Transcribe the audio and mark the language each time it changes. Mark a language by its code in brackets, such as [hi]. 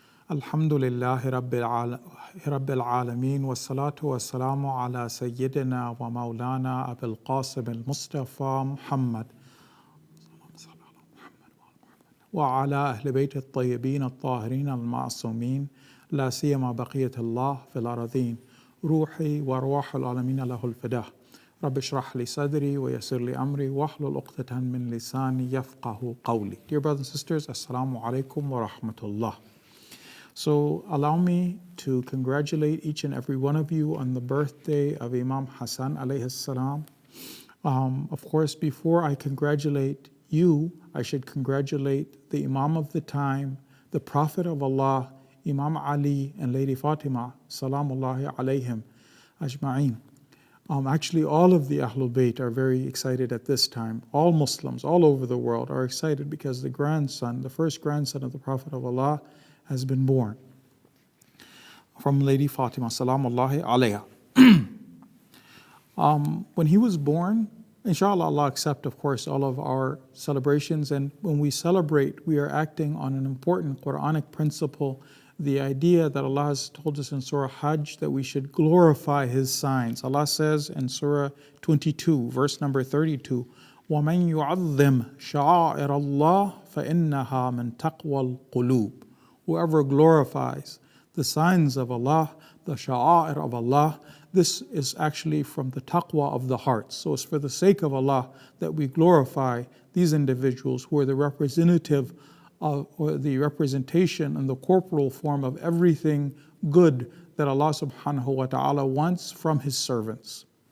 [ar] الحمد لله رب العالمين والصلاة والسلام على سيدنا ومولانا أبي القاسم المصطفى محمد وعلى أهل بيت الطيبين الطاهرين المعصومين لا سيما بقية الله في الأرضين. روحي وروح العالمين له الفداء. رب اشرح لي صدري ويسر لي أمري واحلل عقدة من لساني يفقه قولي. [en] Dear brothers and sisters, [ar] السلام عليكم ورحمة الله. [en] So allow me to congratulate each and every one of you on the birthday of Imam Hassan alayhi salam. Of course, before I congratulate you, I should congratulate the Imam of the time, the Prophet of Allah, Imam Ali and Lady Fatima, salamullahi alayhim ajma'in. Actually, all of the Ahlul Bayt are very excited at this time. All Muslims all over the world are excited because the grandson, the first grandson of the Prophet of Allah, has been born from Lady Fatima, salamullahi alayha. When he was born, inshallah, Allah accept, of course, all of our celebrations. And when we celebrate, we are acting on an important Quranic principle, the idea that Allah has told us in Surah Hajj that we should glorify His signs. Allah says in Surah 22, verse number 32, [ar] وَمَنْ يُعَظِّمْ شَعَائِرَ اللَّهِ فَإِنَّهَا مِنْ تَقْوَى الْقُلُوبِ. [en] Whoever glorifies the signs of Allah, the sha'air of Allah, this is actually from the taqwa of the hearts. So it's for the sake of Allah that we glorify these individuals who are the representative of, or the representation and the corporal form of everything good that Allah subhanahu wa ta'ala wants from His servants.